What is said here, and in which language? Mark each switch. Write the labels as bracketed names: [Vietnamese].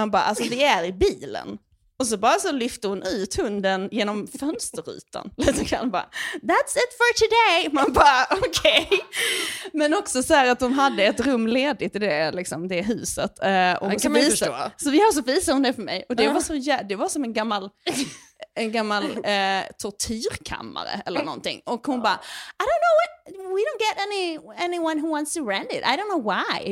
[Swedish] Man bara, alltså det är i bilen. Och så bara så lyfter hon ut hunden genom fönsterrutan. Lite grann bara, [English] that's it for today. [Swedish] Man bara, okej. Men också så här att de hade ett rum ledigt i det, liksom, det huset. Och det kan man visa, förstå. Så vi har så visat hon det för mig. Och det var så, det var som en gammal... En gammal tortyrkammare eller någonting. Och hon bara, [English] I don't know, we don't get anyone who wants to rent it. I don't know why.